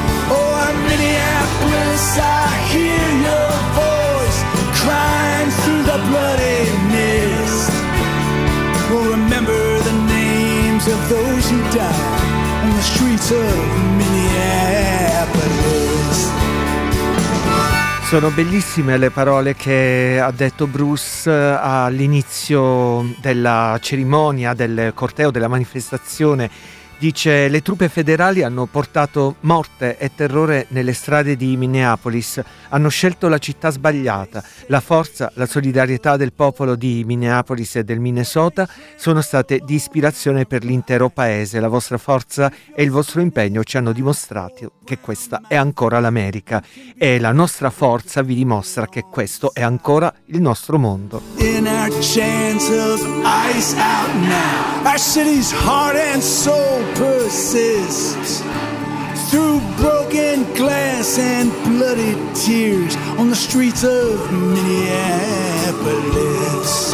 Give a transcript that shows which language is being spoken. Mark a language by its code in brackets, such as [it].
[en] Oh, Minneapolis, I hear your voice crying through the bloody mist. We'll remember the names of those who died on the streets of Minneapolis. [it] Sono bellissime le parole che ha detto Bruce all'inizio della cerimonia, del corteo, della manifestazione. Dice: le truppe federali hanno portato morte e terrore nelle strade di Minneapolis. Hanno scelto la città sbagliata. La forza, la solidarietà del popolo di Minneapolis e del Minnesota sono state di ispirazione per l'intero paese. La vostra forza e il vostro impegno ci hanno dimostrato che questa è ancora l'America. E la nostra forza vi dimostra che questo è ancora il nostro mondo. [en] In our chains of ice out now, our city's heart and soul persists through broken glass and bloody tears on the streets of Minneapolis.